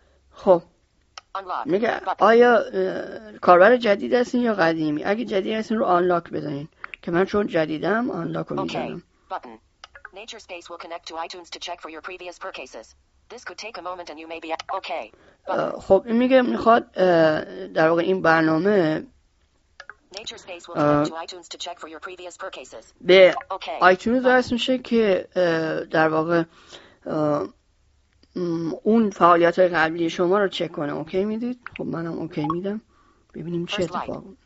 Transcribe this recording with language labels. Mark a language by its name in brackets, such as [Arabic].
[Persian] خب میگه آیا کاربر جدید هستین یا قدیمی؟ اگه جدید هستین رو آنلاک بزنین، که من چون جدیدم آنلاک رو میزنم. [English] Nature Space will connect to iTunes to check for your previous purchases. This could take a moment and you may be okay. [Persian] خب این میگه میخواد در واقع این برنامه [English] Nature Space will connect to iTunes to check for your previous purchases. [Persian] به iTunes درست میشه که در واقع اون فعالیت های قبلی شما رو چک کنه. اوکی میدید؟ خب منم اوکی میدم، ببینیم چه اتفاق.